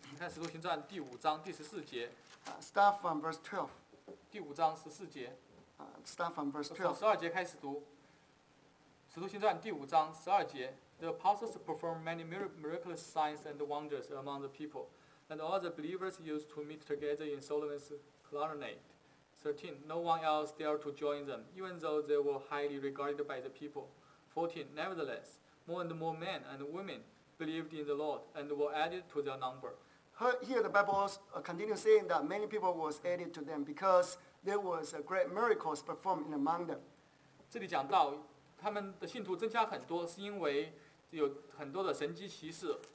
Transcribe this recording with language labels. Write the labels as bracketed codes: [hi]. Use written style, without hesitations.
[zh] 你看《使徒行传》第五章第十四节。 [en] Start from verse 12. [zh] 第五章十四节。 [en] Start from verse 12. [zh] 从十二节开始读。 《使徒行传》第五章十二节。 [en] The apostles performed many miraculous signs and wonders among the people, and all the believers used to meet together in Solomon's colonnade. 13. No one else dared to join them, even though they were highly regarded by the people. 14. Nevertheless, more and more men and womenBelieved in the Lord and were added to their number. Here, the Bible also continues saying that many people was added to them because there was a great miracles performed in among them. [zh] 这里讲到他们的信徒增加很多，是因为有很多的神迹奇事。